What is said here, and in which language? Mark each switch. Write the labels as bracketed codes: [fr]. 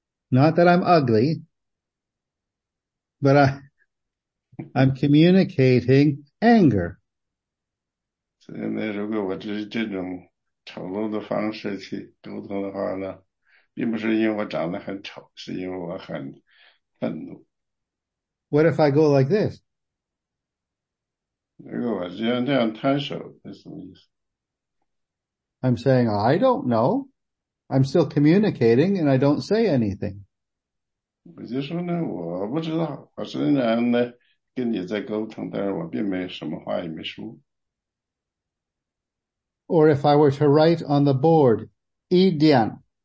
[en] not that I'm ugly, but I'm communicating anger. [zh] 现在如果我只是这种丑陋的方式去沟通的话呢,并不是因为我长得很丑,是因为我很愤怒。 [en] What if I go like this? [zh] 如果我这样摊手,那什么意思? [en] I'm saying, I don't know. I'm still communicating and I don't say anything. [zh] 我就说呢,我不知道,我虽然呢, 跟你在沟通,但是我并没有什么话也没说。 [en] Or if I were to write on the board, Edian.